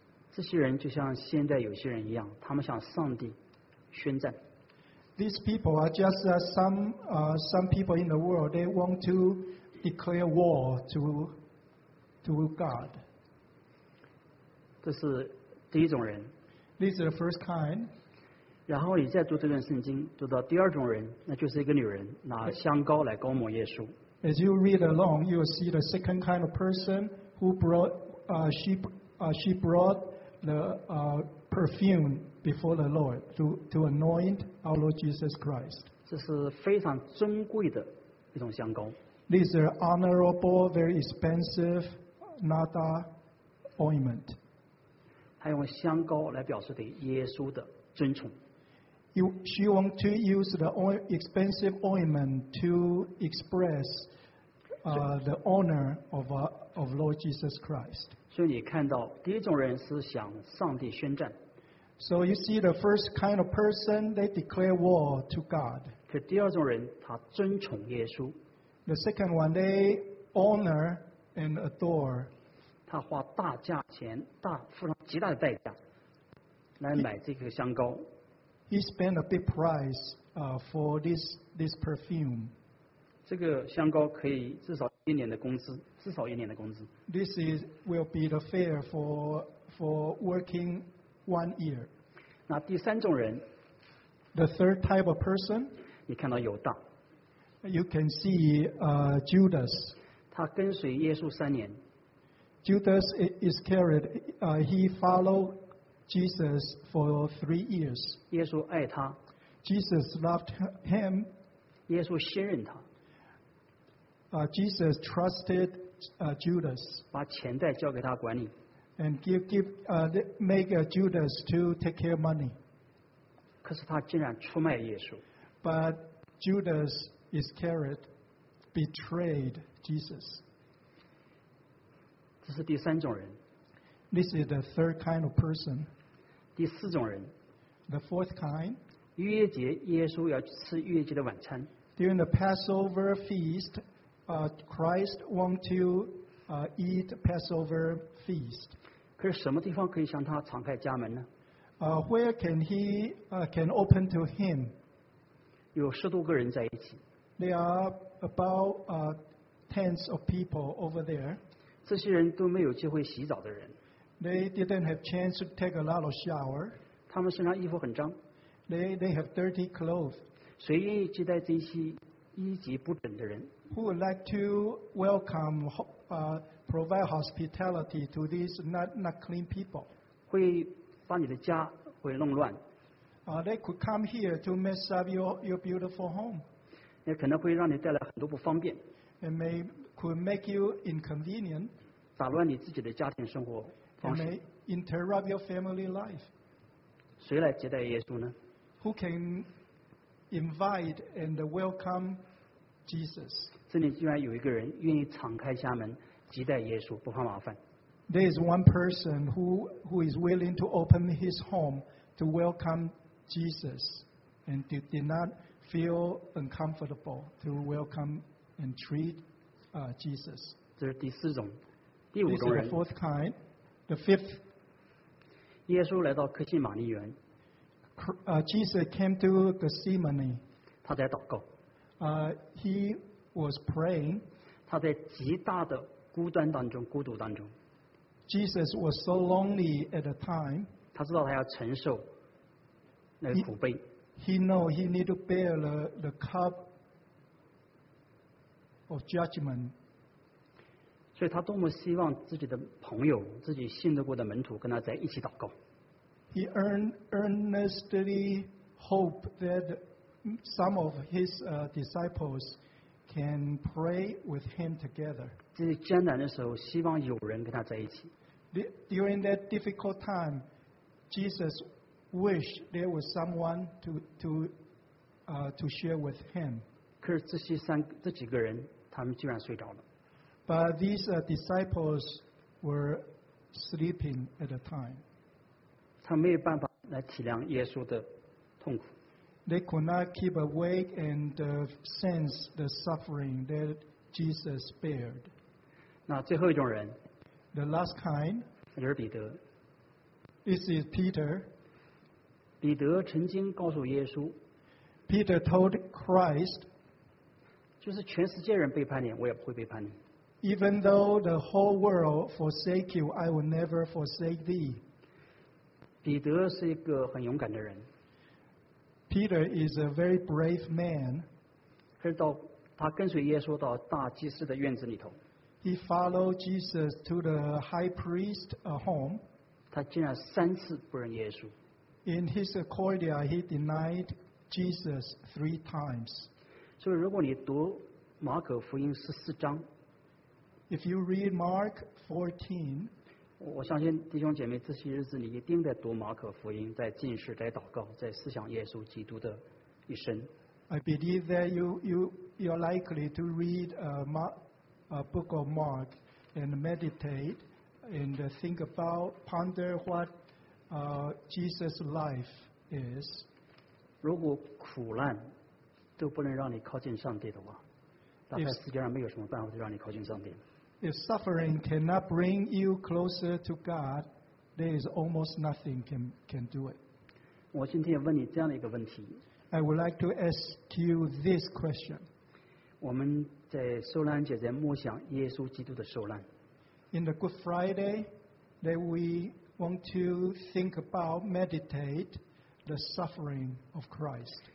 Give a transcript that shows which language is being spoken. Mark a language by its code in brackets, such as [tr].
[zh] 这些人就像现在有些人一样，他们向上帝宣战。 [en] These people are just some people in the world. They want to declare war to God. [zh] 这是第一种人。 [en] This is the first kind. [zh] 然后你再读这段圣经，读到第二种人，那就是一个女人拿香膏来膏抹耶稣。 [en] As you read along, you will see the second kind of person who brought she brought the perfume before the Lord to anoint our Lord Jesus Christ. [zh] 这是非常尊贵的一种香膏。 [en] This is honorable, very expensive nada ointment. [zh] 他用香膏来表示对耶稣的尊崇。 [en] She want to use the expensive ointment to express the honor of Lord Jesus Christ. [zh] 所以你看到第一种人是向上帝宣战。 [en] So you see the first kind of person they declare war to God. [zh] 可第二种人他尊崇耶稣。 [en] The second one they honor and adore. [zh] 他花大价钱，大付上极大的代价来买这个香膏。 [en] He spent a big price for this perfume. [zh] 这个香膏可以至少一年的工资，至少一年的工资。 [en] This is will be the fare for working 1 year. [zh] 那第三种人 [en] ，the third type of person， [zh] 你看到犹大 [en] ，you can see Judas. [zh] 他跟随耶稣三年。 [en] Judas is carried. He followed. Jesus for 3 years. [zh] 耶稣爱他。 [en] Jesus loved him. [zh] 耶稣信任他。 [en] Jesus trusted Judas. [zh] 把钱袋交给他管理。 [en] And make Judas to take care of money. [zh] 可是他竟然出卖耶稣。 [en] But Judas Iscariot betrayed Jesus. [zh] 这是第三种人。 [en] This is the third kind of person. [zh] 第四种人。 [en] The fourth kind. [zh] 逾越节，耶稣要吃逾越节的晚餐。 [en] During the Passover feast, Christ want to eat Passover feast. [zh] 可是什么地方可以向他敞开家门呢？ [en] Where can he can open to him? [zh] 有十多个人在一起。 [en] There are about tens of people over there. [zh] 这些人都没有机会洗澡的人。 [en] They didn't have chance to take a lot of shower. [zh] 他们身上衣服很脏。 [en] They have dirty clothes. [zh] 谁愿意接待这些衣籍不整的人？ [en] Who would like to welcome, provide hospitality to these not clean people? [zh] 会把你的家会弄乱。 [en] They could come here to mess up your beautiful home. [zh] 也可能会让你带来很多不方便。 [en] It may could make you inconvenient. [zh] 打乱你自己的家庭生活方式。 [en] It may interrupt your family life. [zh] 谁来接待耶稣呢？ [en] Who can invite and welcome Jesus? [zh] 这里居然有一个人愿意敞开家门接待耶稣，不怕麻烦。 [en] There is one person who is willing to open his home to welcome Jesus and did not feel uncomfortable to welcome and treat Jesus. [zh] 这是第四种，第五种人。 [en] This is the fourth kind, the fifth. [zh] 耶稣来到客西马尼园。 [en] Jesus came to Gethsemane. [zh] 他在祷告。 [en] He was praying. [zh] 他在极大的孤单当中，孤独当中。 [en] Jesus was so lonely at the time. [zh] 他知道他要承受那个苦悲。 [en] He know he need to bear the cup of judgment. [zh] 所以他多么希望自己的朋友，自己信得过的门徒跟他在一起祷告。 [en] He earnestly hope that some of his disciples can pray with him together. [zh] 在艰难的时候，希望有人跟他在一起。 [en] During that difficult time, Jesus wished there was someone to share with him. [zh] 可是这几个人，他们居然睡着了。 [en] But these disciples were sleeping at the time. [zh] 他没有办法来体谅耶稣的痛苦。 [en] They could not keep awake and sense the suffering that Jesus spared. [zh] 那最后一种人。 [en] The last kind. [zh] 就是彼得。 [en] This is Peter. [zh] 彼得曾经告诉耶稣。 [en] Peter told Christ. [zh] 就是全世界人背叛你，我也不会背叛你。 [en] Even though the whole world forsake you, I will never forsake thee. [zh] 彼得是一个很勇敢的人。 [en] Peter is a very brave man. [zh] 可是到他跟随耶稣到大祭司的院子里头。 [en] He followed Jesus to the high priest's home. [zh] 他竟然三次不认耶稣。 [en] In his cordia, he denied Jesus three times. [zh] 所以如果你读马可福音十四章， [en] If you read Mark 14, [zh] 我相信弟兄姐妹这些日子你一定在读马可福音，在进食，在祷告，在思想耶稣基督的一生。 [en] I believe that you're likely to read a book of Mark and meditate and think about ponder what Jesus' life is. [zh] 如果苦难都不能让你靠近上帝的话，大概世界上没有什么办法让你靠近上帝。 [en] If suffering cannot bring you closer to God, there is almost nothing can do it. [zh] 我今天问你这样的一个问题。 [en] I would like to ask you this question. [zh] 我们在受难节在默想耶稣基督的受难。 [en] In the Good Friday, that we want to think about meditate the suffering of Christ.